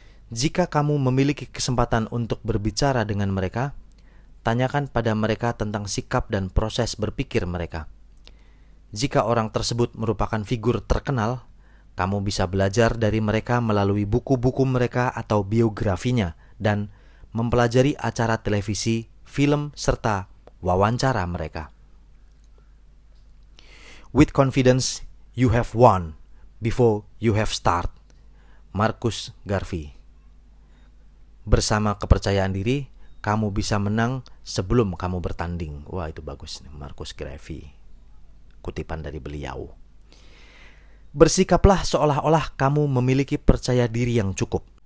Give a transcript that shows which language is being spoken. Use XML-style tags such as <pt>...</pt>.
<id>Jika kamu memiliki kesempatan untuk berbicara dengan mereka, tanyakan pada mereka tentang sikap dan proses berpikir mereka. Jika orang tersebut merupakan figur terkenal, kamu bisa belajar dari mereka melalui buku-buku mereka atau biografinya dan mempelajari acara televisi, film, serta wawancara mereka.</id> <en>With confidence, you have won before you have start. Marcus Garvey.</en> <id>Bersama kepercayaan diri, kamu bisa menang sebelum kamu bertanding. Wah, itu bagus nih, Marcus Garvey. Kutipan dari beliau. Bersikaplah seolah-olah kamu memiliki percaya diri yang cukup.</id>